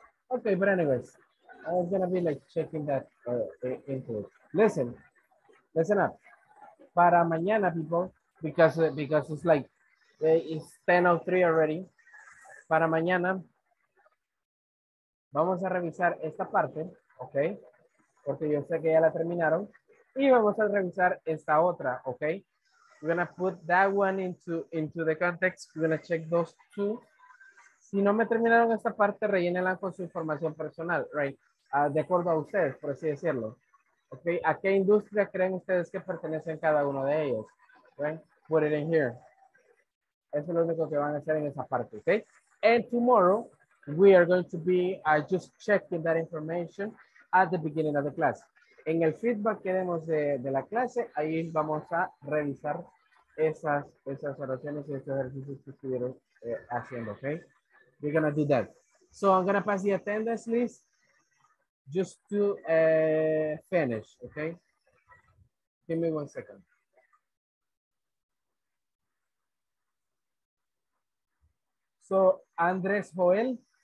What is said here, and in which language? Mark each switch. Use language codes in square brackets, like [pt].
[en] Okay, but anyways, I'm going to be like checking that into it. Listen, listen up. [es] Para mañana, [en] people, because it's like, it's 10:03 already. [es] Para mañana, vamos a revisar esta parte, okay? Porque yo sé que ya la terminaron. Y vamos a revisar esta otra, okay? [en] We're going to put that one into the context. We're going to check those two. [es] Si no me terminaron esta parte, rellénenla con su información personal, right? De acuerdo a ustedes, por así decirlo. Okay, ¿a qué industria creen ustedes que pertenecen cada uno de ellos? Right? [en] Put it in here. [es] Eso es lo único que van a hacer en esa parte, okay? [en] And tomorrow, we are going to be just checking that information at the beginning of the class. [es] En el feedback que demos de la clase, ahí vamos a revisar esas oraciones y esos ejercicios que estuvieron haciendo, okay? [en] We're going to do that. So I'm going to pass the attendance list just to finish, okay? Give me 1 second. So Andres Joel.